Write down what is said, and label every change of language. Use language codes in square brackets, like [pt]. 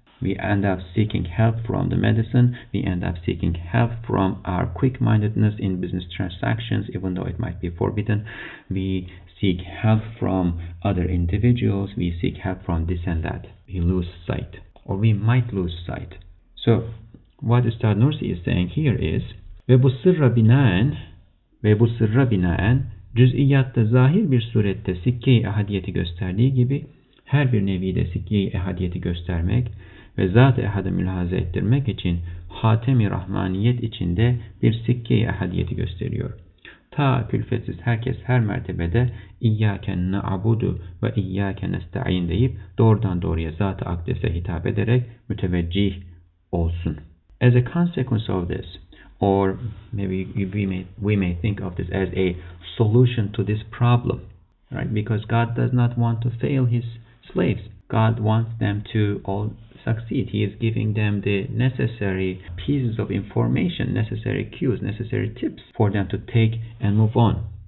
[en] We end up seeking help from the medicine, we end up seeking help from our quick-mindedness in business transactions, even though it might be forbidden. We seek help from other individuals, we seek help from this and that. We lose sight, or we might lose sight. So what Üstad Nursi is saying here is [tr] ve bu sırra binaen cüz'iyatta zahir bir surette sikke-i ehadiyeti gösterdiği gibi her bir nevide sikke-i ehadiyeti göstermek ve zat-ı ehad'ı mülahaza ettirmek için Hatem-i Rahmaniyet içinde bir sikke-i ehadiyeti gösteriyor. Ta külfetsiz herkes her mertebede İyyâke na'budu ve İyyâke nesta'in deyip doğrudan doğruya zat-ı akdese hitap ederek müteveccih olsun. [en] As a consequence of this, or maybe we may think of this as a solution to this problem, right? Because God does not want to fail His slaves. God wants them to all succeed. He is giving them the necessary pieces of information, necessary cues, necessary tips for them to take and move on.